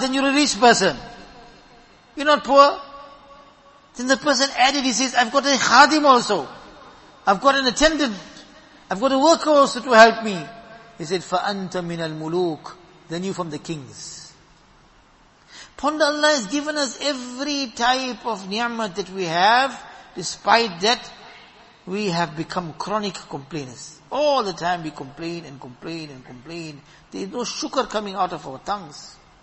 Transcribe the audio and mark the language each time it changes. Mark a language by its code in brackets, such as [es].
[en] Then you're a rich person. You're not poor. Then the person added, he says, I've got a khadim also. I've got an attendant. I've got a worker also to help me. He said, [ar] فَأَنْتَ مِنَ الْمُلُوكِ. [en] Then you from the kings. Ponder, Allah has given us every type of ni'mat that we have. Despite that, we have become chronic complainers. All the time we complain and complain and complain. There is no shukr coming out of our tongues.